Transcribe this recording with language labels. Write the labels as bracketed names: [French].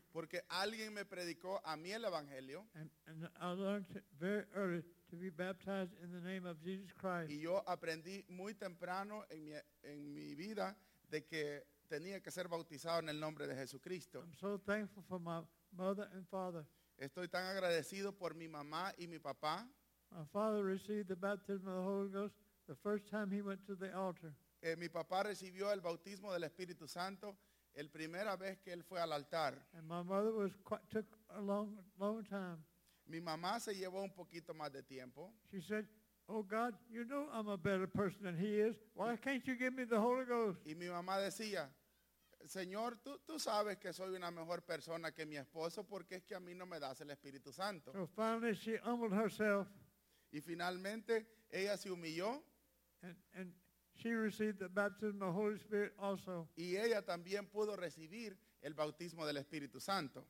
[Spanish] Porque alguien me predicó a mí el evangelio. [English] And I learned very early to be baptized in the name of Jesus Christ. [Spanish] Y yo aprendí muy temprano en mi vida de que tenía que ser bautizado en el nombre de Jesucristo. [English] I'm so thankful for my mother and father. [Spanish] Estoy tan agradecido por mi mamá y mi papá. [English] My father received the baptism of the Holy Ghost the first time he went to the altar. [Spanish] Mi papá recibió el bautismo del Espíritu Santo el primera vez que él fue al altar. [English] And my mother was quite, took a long time. [Spanish] Mi mamá se llevó un poquito más de tiempo. [English] She said, "Oh God, you know I'm a better person than he is. Why can't you give me the Holy Ghost?" [Spanish] Y mi mamá decía, "Señor, tú sabes que soy una mejor persona que mi esposo porque es que a mí no me das el Espíritu Santo." [English] So finally she humbled herself. [Spanish] Y finalmente ella se humilló. [English] And she received the baptism of the Holy Spirit also. [Spanish] Y ella también pudo recibir el bautismo del Espíritu Santo.